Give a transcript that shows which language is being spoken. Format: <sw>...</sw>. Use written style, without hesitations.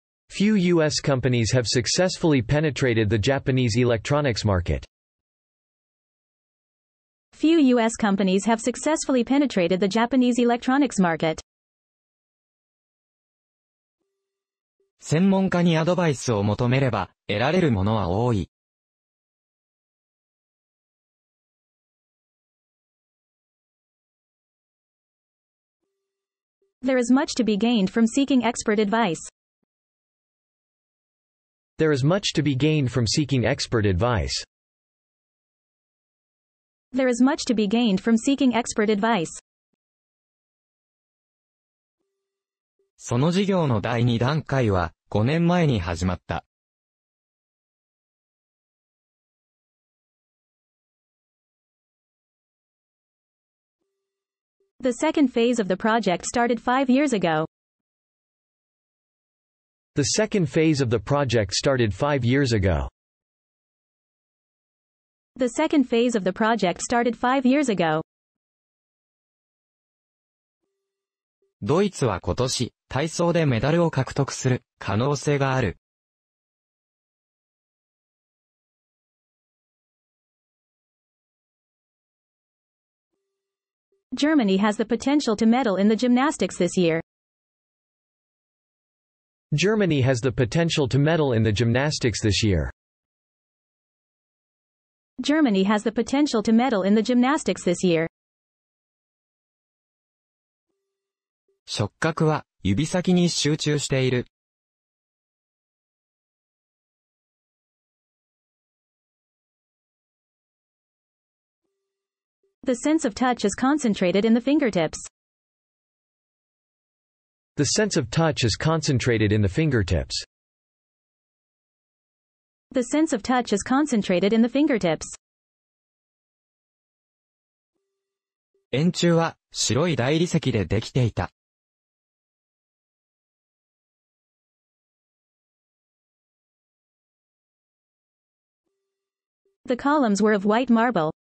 <en>Few U.S. companies have successfully penetrated the Japanese electronics market. Few U.S. companies have successfully penetrated the Japanese electronics market.</en> <ja>専門家にアドバイスを求めれば得られるものは多い。</ja> <en>There is much to be gained from seeking expert advice. There is much to be gained from seeking expert advice. There is much to be gained from seeking expert advice.</en> <ja>その事業の第二段階は5年前に始まった。</ja> <en>The second phase of the project started 5 years ago. The second phase of the project started 5 years ago. The second phase of the project started 5 years ago.</en> <ja>ドイツは今年、体操でメダルを獲得する可能性がある。</ja> <en>Germany has the potential to medal in the gymnastics this year. Germany has the potential to medal in the gymnastics this year. Germany has the potential to medal in the gymnastics this year.</en> <ja>触覚は指先に集中している。</ja> <en>The sense of touch is concentrated in the fingertips. The sense of touch is concentrated in the fingertips. The sense of touch is concentrated in the fingertips.</en> <ja>円柱は白い大理石でできていた。</ja> <en>The columns were of white marble.</en>